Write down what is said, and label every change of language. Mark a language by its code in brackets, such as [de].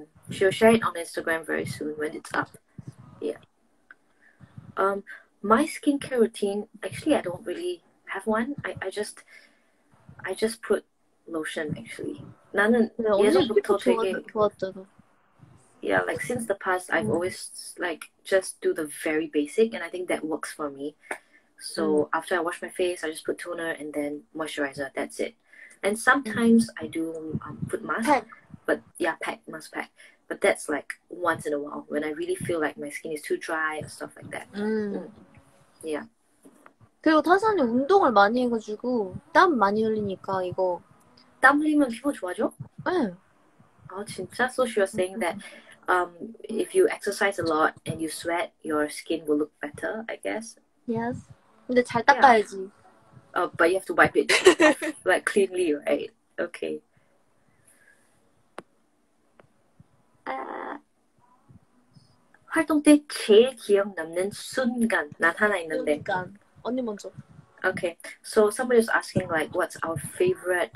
[en] She'll share it on Instagram very soon when it's up. Yeah. My skincare routine, actually, I don't really have one. I just put lotion, actually. [ko] 나는 예전부터 되게 좋았잖아. [en] Yeah, like since the past, I've always like just do the very basic, and I think that works for me. So after I wash my face, I just put toner and then moisturizer. That's it. And sometimes I do put mask, pack. But yeah, pack mask pack. But that's like once in a while when I really feel like my skin is too dry or stuff like that. Yeah. [ko] 그리고 타산이 운동을 많이 해가지고 땀 많이 흘리니까 이거 땀 흘리면 피부 좋아져? 네. 아 진짜? [en] So she was saying that if you exercise a lot and you sweat, your skin will look better, I guess. Yes. [ko] 근데 잘 닦아야지. [en] Yeah. But you have to wipe it off, like cleanly, right? Okay. Ah. [ko] 활동 때 제일 기억 남는 순간 난 하나 있는데. 순간. 언니 먼저. [en] Okay, so somebody was asking like, what's our favorite?